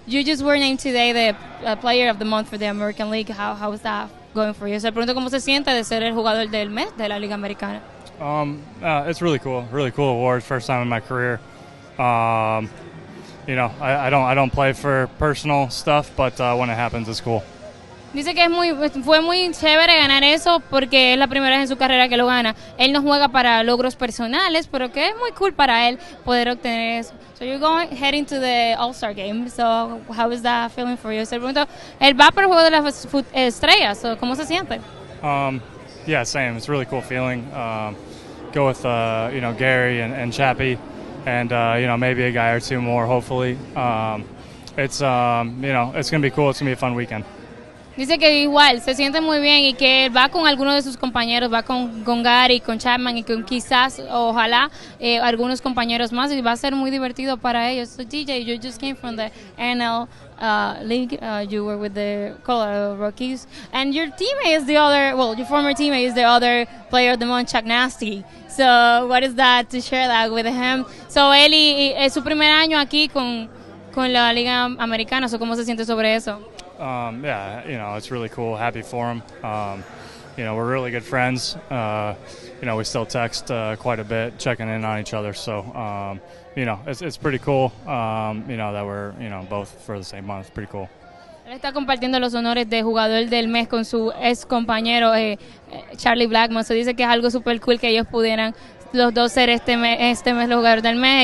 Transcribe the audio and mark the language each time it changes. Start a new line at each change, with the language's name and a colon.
English: You just were named today the player of the month for the American League. How is that going for you?
Spanish: Se pregunto cómo se siente de ser el jugador del mes de la Liga Americana.
English: It's really cool. Really cool award. First time in my career. You know, I don't play for personal stuff, but when it happens, it's cool.
Spanish: Dice que fue muy chévere ganar eso porque es la primera vez en su carrera que lo gana. Él no juega para logros personales, pero que es muy cool para él poder obtener eso.
English: So you're going heading to the All-Star game. So how is that feeling for you?
Spanish: Se pregunta, él va para el juego de las estrellas. So ¿cómo se siente?
English: Yeah, same. It's a really cool feeling. Go with you know, Gary and Chappie, and you know, maybe a guy or two more. Hopefully, it's you know, it's gonna be cool. It's gonna be a fun weekend.
Spanish: Dice que igual se siente muy bien y que va con algunos de sus compañeros, va con Gary, con Chapman y con quizás, ojalá, algunos compañeros más, y va a ser muy divertido para ellos.
English: So DJ, you just came from the NL League, you were with the Colorado Rockies, and your teammate is the other, well, your former teammate is the other player of the month, Chuck Nasty. So what is that to share that with him?
Spanish: So él y es su primer año aquí con la Liga Americana, so ¿cómo se siente sobre eso?
English: Yeah, you know, it's really cool. Happy for him. You know, we're really good friends. You know, we still text quite a bit, checking in on each other. So, you know, it's pretty cool. You know, that we're, you know, both for the same month. Pretty cool.
Spanish: Él está compartiendo los honores de jugador del mes con su ex compañero Charlie Blackmon. Se dice que es algo super cool que ellos pudieran los dos ser este mes los jugadores del mes.